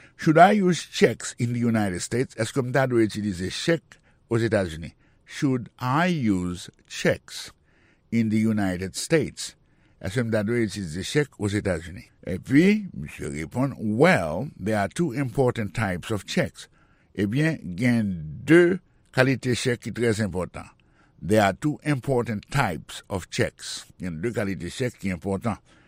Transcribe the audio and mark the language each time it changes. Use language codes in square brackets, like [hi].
[en] Should I use checks in the United States? [fr] Est-ce que je dois utiliser chèque aux États-Unis? [en] Should I use checks in the United States? [fr] Est-ce que je dois utiliser chèque aux États-Unis? Et puis, monsieur répond, [en] well, there are two important types of checks. [fr] Eh bien, il y a deux qualités de chèque qui sont très importantes. [en] There are two important types of checks. [fr] Il y a deux qualités de chèque qui sont importantes.